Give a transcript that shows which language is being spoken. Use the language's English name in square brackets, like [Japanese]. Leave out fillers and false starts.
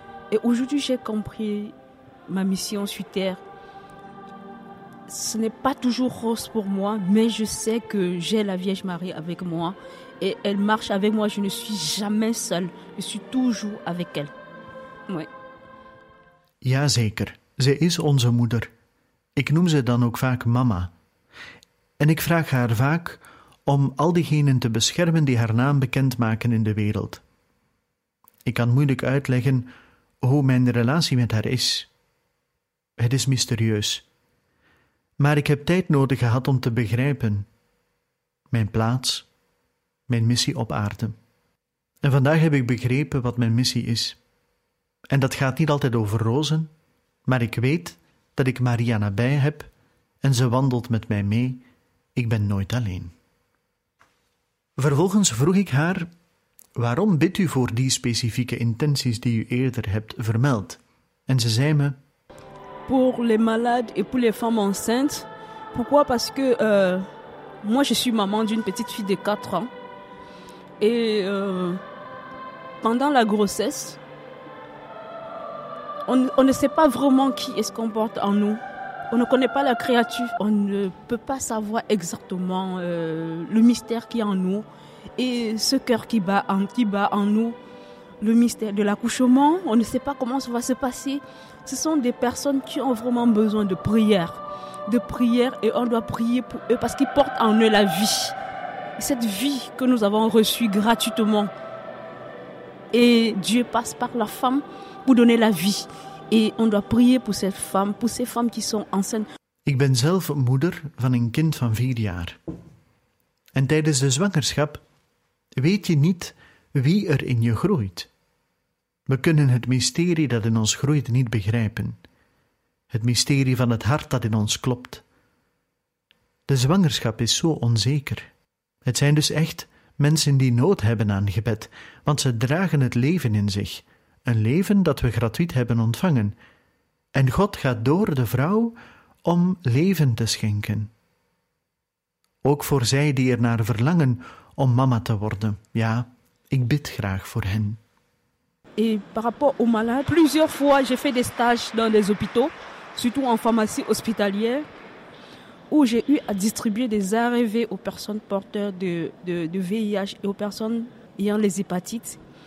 [French] Et aujourd'hui, j'ai compris ma mission sur terre. Ce n'est pas toujours rose pour moi, mais je sais que j'ai la Vierge Marie avec moi. Et elle marche avec moi, je ne suis jamais seule. Je suis toujours avec elle. Oui. [Dutch] Ja, zeker. Ze is onze moeder. Ik noem ze dan ook vaak mama. En ik vraag haar vaak om al diegenen te beschermen die haar naam bekend maken in de wereld. Ik kan moeilijk uitleggen hoe mijn relatie met haar is. Het is mysterieus. Maar ik heb tijd nodig gehad om te begrijpen. Mijn plaats, mijn missie op aarde. En vandaag heb ik begrepen wat mijn missie is. En dat gaat niet altijd over rozen, maar ik weet dat ik Maria nabij heb en ze wandelt met mij mee. Ik ben nooit alleen. Vervolgens vroeg ik haar, waarom bidt u voor die specifieke intenties die u eerder hebt vermeld? En ze zei me... [French] Pour les malades et pour les femmes enceintes. Pourquoi? Parce que moi je suis maman d'une petite fille de 4 ans. Et pendant la grossesse, on ne sait pas vraiment qui est-ce qu'on porte en nous. On ne connaît pas la créature, on ne peut pas savoir exactement le mystère qui est en nous et ce cœur qui bat en nous. le mystère de l'accouchement. On ne sait pas comment ça va se passer. Ce sont des personnes qui ont vraiment besoin de prière. De prière, et on doit prier pour eux parce qu'ils portent en eux la vie. Cette vie que nous avons reçue gratuitement. Et Dieu passe par la femme pour donner la vie. Et on doit prier pour cette femme, pour ces femmes qui sont enceintes. [Dutch] Ik ben zelf moeder van een kind van 4 jaar. En tijdens de zwangerschap weet je niet wie er in je groeit. We kunnen het mysterie dat in ons groeit niet begrijpen. Het mysterie van het hart dat in ons klopt. De zwangerschap is zo onzeker. Het zijn dus echt mensen die nood hebben aan gebed, want ze dragen het leven in zich, een leven dat we gratuit hebben ontvangen. En God gaat door de vrouw om leven te schenken. Ook voor zij die er naar verlangen om mama te worden. Ja, ik bid graag voor hen. [French] Et par rapport aux malades, plusieurs fois j'ai fait des stages dans des hôpitaux, surtout en pharmacie hospitalière, où j'ai eu à distribuer des ARV aux personnes porteurs de VIH et aux personnes ayant les hépatites.